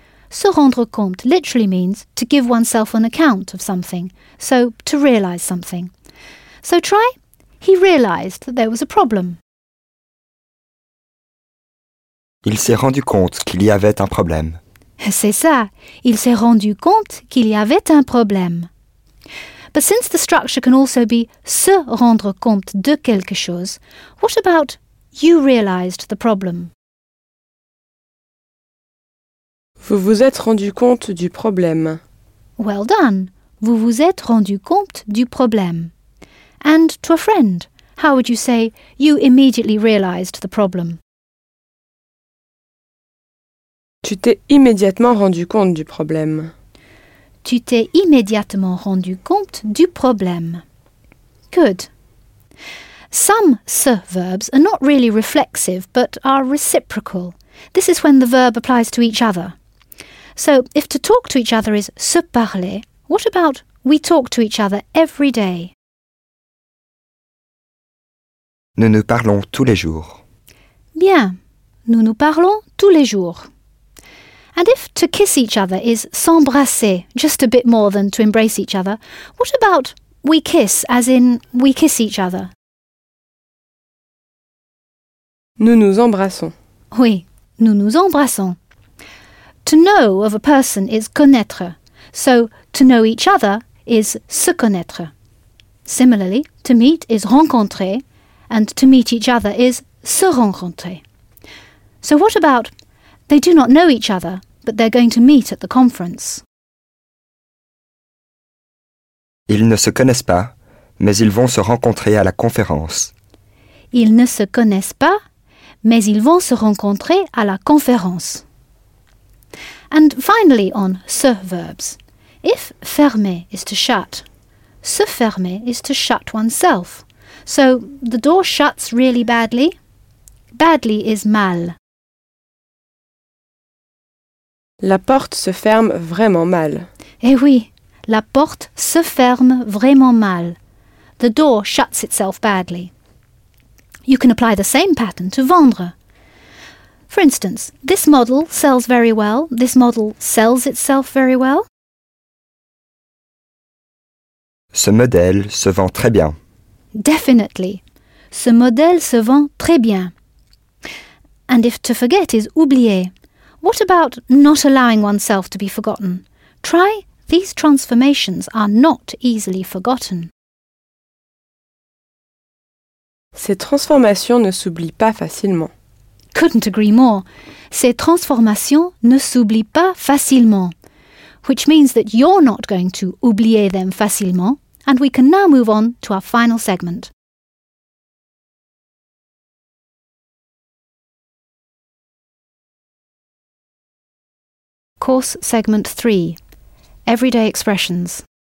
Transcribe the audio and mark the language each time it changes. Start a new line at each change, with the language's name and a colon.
English: Se rendre compte literally means to give oneself an account of something, so to realize something. So try... He realized that there was a problem.
French: Il s'est rendu compte qu'il y avait un problème. C'est ça. Il s'est rendu compte qu'il y avait un problème.
English: But since the structure can also be
French: se rendre compte de quelque chose,
English: what about you realized the problem?
French: Vous vous êtes rendu compte du problème.
English: Well done.
French: Vous vous êtes rendu compte du problème.
English: And to a friend, how would you say, you immediately realized the problem?
French: Tu t'es immédiatement rendu compte du problème. Tu t'es immédiatement rendu compte du problème.
English: Good. Some se verbs are not really reflexive, but are reciprocal. This is when the verb applies to each other. So, if to talk to each other is se parler, what about we talk to each other every day?
French: Nous nous parlons tous les jours. Bien. Nous nous parlons tous les jours.
English: And if to kiss each other is s'embrasser, just a bit more than to embrace each other, what about We kiss, as in we kiss each other.
French: Nous nous embrassons. Oui, nous nous embrassons.
English: To know of a person is connaître. So, to know each other is se connaître. Similarly, to meet is rencontrer, and to meet each other is se rencontrer. So what about, they do not know each other, but they're going to meet at the conference?
French: Ils ne se connaissent pas, mais ils vont se rencontrer à la conférence. Ils ne se connaissent pas, mais ils vont se rencontrer à la conférence.
English: And finally, on se verbs. If fermer is to shut, se fermer is to shut oneself. So, the door shuts really badly. Badly is mal.
French: La porte se ferme vraiment mal. Eh oui, la porte se ferme vraiment mal.
English: The door shuts itself badly. You can apply the same pattern to vendre. For instance, this model sells very well. This model sells itself very well.
French: Ce modèle se vend très bien.
English: Definitely.
French: Ce modèle se vend très bien.
English: And if to forget is oublier, what about not allowing oneself to be forgotten? Try, these transformations are not easily forgotten.
French: Ces transformations ne s'oublient pas facilement.
English: Couldn't agree more.
French: Ces transformations ne s'oublient pas facilement.
English: Which means that you're not going to oublier them facilement. And we can now move on to our final segment. Course segment 3. Everyday expressions.